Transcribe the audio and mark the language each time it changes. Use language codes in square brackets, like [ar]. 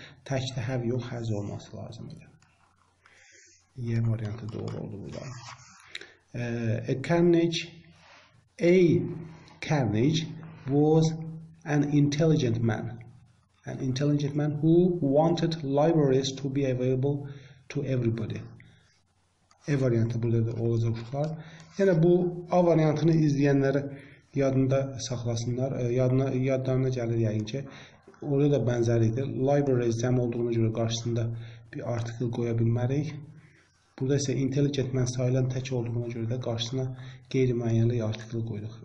[az] Təkdə have yox, has olması lazım idi. Y variantı doğru oldu burada. [en] A carnage, A carnage was an intelligent man. An intelligent man who wanted libraries to be available to everybody. [az] E variantı burada da olacaq uşaqlar. Yəni bu A variantını izləyənlər yadında saxlasınlar. Yadlarına gəlir yəqin ki. Orada da bənzəridir. Libraries cəm olduğuna görə qarşısında bir artikl qoya bilmərik. Burada isə intelligent man sayılan tək olduğuna görə də qarşısına qeyri-müəyyənli artikl qoyduq.